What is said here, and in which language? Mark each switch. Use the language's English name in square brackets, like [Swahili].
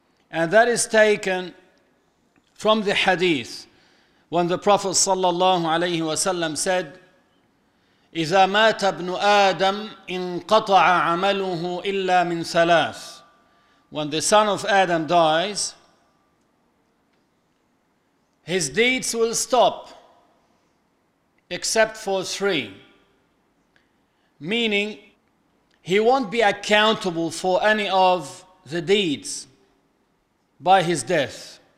[English] And that is taken from the hadith. When the Prophet [Arabic] sallallahu alayhi wa sallam [English] said, [Arabic] إِذَا مَاتَ ابْنُ آدَمِ انْقَطَعَ عَمَلُهُ إِلَّا مِنْ ثَلَاثِ. [English] When the son of Adam dies, his deeds will stop except for three. Meaning, he won't be accountable for any of the deeds by his death.